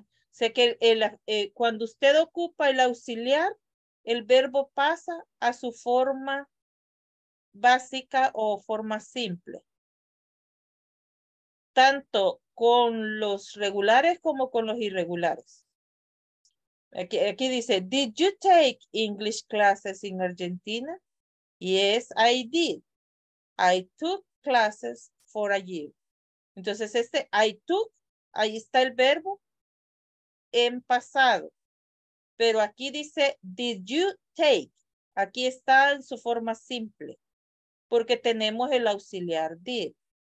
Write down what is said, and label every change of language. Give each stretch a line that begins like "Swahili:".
Spanish: O sea que cuando usted ocupa el auxiliar, el verbo pasa a su forma básica o forma simple. Tanto con los regulares como con los irregulares. Aquí dice,
English: did you take English classes in Argentina? Yes, I did. I took classes for a year.
Spanish: Entonces este
English: I took,
Spanish: ahí está el verbo en pasado. Pero aquí dice,
English: did you take?
Spanish: Aquí está en su forma simple, porque tenemos el auxiliar did.